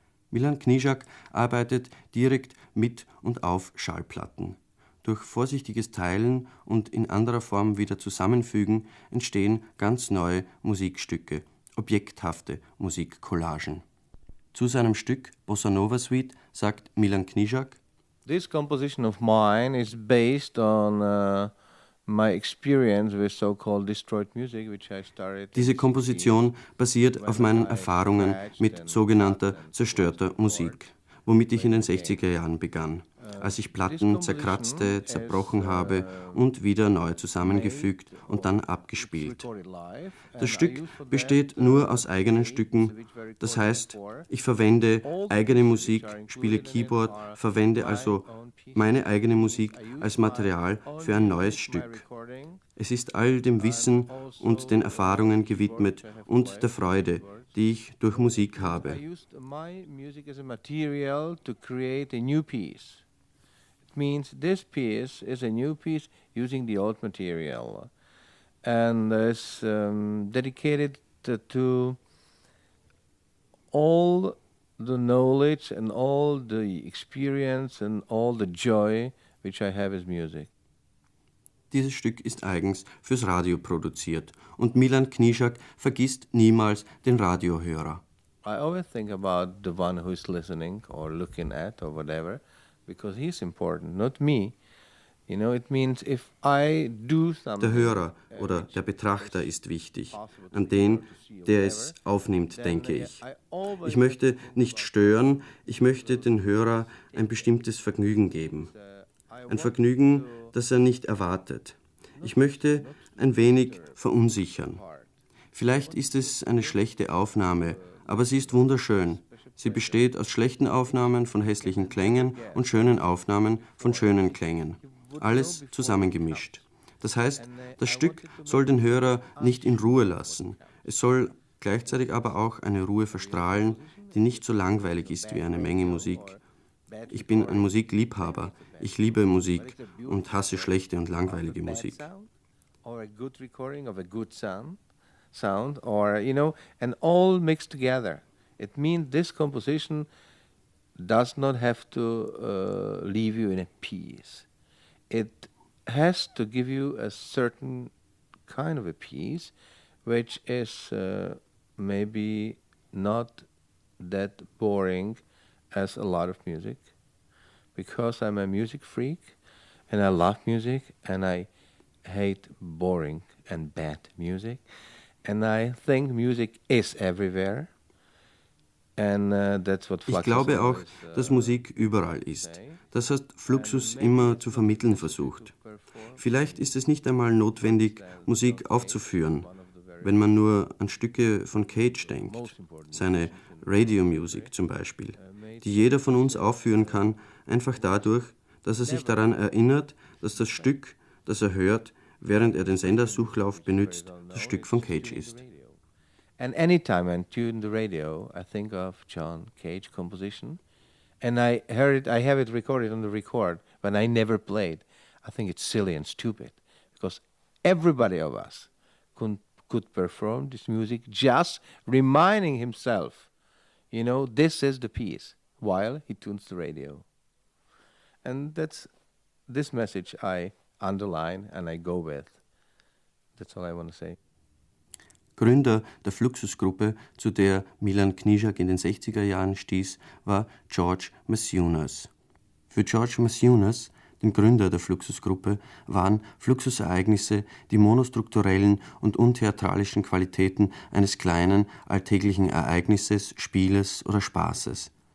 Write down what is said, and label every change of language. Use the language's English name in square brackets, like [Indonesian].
[German] Milan Knijak arbeitet direkt mit und auf Schallplatten. Durch vorsichtiges Teilen und in anderer Form wieder zusammenfügen entstehen ganz neue Musikstücke, objekthafte Musikcollagen. Zu seinem Stück Bossa Nova Suite sagt Milan Knijak: [English] This composition of mine is based on my experience with so-called destroyed music, which I started. [German] Diese Komposition basiert auf meinen Erfahrungen mit sogenannter zerstörter Musik, womit ich in den 60er Jahren begann, als ich Platten zerkratzte, zerbrochen habe und wieder neu zusammengefügt und dann abgespielt. Das Stück besteht nur aus eigenen Stücken, das heißt, ich verwende eigene Musik, spiele Keyboard, verwende also meine eigene Musik als Material für ein neues Stück. Es ist all dem Wissen und den Erfahrungen gewidmet und der Freude, die ich durch Musik habe. [English] I used my music as a material to create a new piece. It means this piece is a new piece using the old material. And it's dedicated to all the knowledge and all the experience and all the joy which I have as music. [German] Dieses Stück ist eigens fürs Radio produziert und Milan Knijak vergisst niemals den Radiohörer. [English] I always think about the one who is listening or looking at or whatever, because he's important, not me. You know, it means if I do something. [German] Der Hörer oder der Betrachter ist wichtig, an den, der es aufnimmt, denke ich. Ich möchte nicht stören, ich möchte den Hörer ein bestimmtes Vergnügen geben. Ein Vergnügen, das er nicht erwartet. Ich möchte ein wenig verunsichern. Vielleicht ist es eine schlechte Aufnahme, aber sie ist wunderschön. Sie besteht aus schlechten Aufnahmen von hässlichen Klängen und schönen Aufnahmen von schönen Klängen. Alles zusammengemischt. Das heißt, das Stück soll den Hörer nicht in Ruhe lassen. Es soll gleichzeitig aber auch eine Ruhe verstrahlen, die nicht so langweilig ist wie eine Menge Musik. Ich bin ein Musikliebhaber. Ich liebe Musik und hasse schlechte und langweilige Musik. [English] Or a good recording of a good sound or, you know, and all mixed together. It means this composition does not have to leave you in a peace. It has to give you a certain kind of a peace, which is maybe not that boring as a lot of music. Because I'm a music freak and I love music and I hate boring and bad music. And I think music is everywhere. And that's what [German] Fluxus. Ich glaube auch, dass Musik überall ist. Das hat Fluxus immer zu vermitteln versucht. Vielleicht ist es nicht einmal notwendig, Musik aufzuführen, wenn man nur an Stücke von Cage denkt, seine Radio Music zum Beispiel, die jeder von uns aufführen kann, einfach dadurch, dass er sich daran erinnert, dass das Stück, das er hört, während er den Sendersuchlauf benutzt, das Stück von Cage ist. [English] And any time I tune the radio, I think of John Cage composition. And I heard it, I have it recorded on the record, but I never played. I think it's silly and stupid, because everybody of us could perform this music just reminding himself, you know, this is the piece, while he tunes the radio. And that's this message I underline and I go with. That's all I want to say. [German] Gründer der Fluxus-Gruppe, zu der Milan Knižak in den 60er Jahren stieß, war George Masiunas. Für George Masiunas, den Gründer der Fluxus-Gruppe, waren Fluxus-Ereignisse die monostrukturellen und untheatralischen Qualitäten eines kleinen, alltäglichen Ereignisses, Spieles oder Spaßes.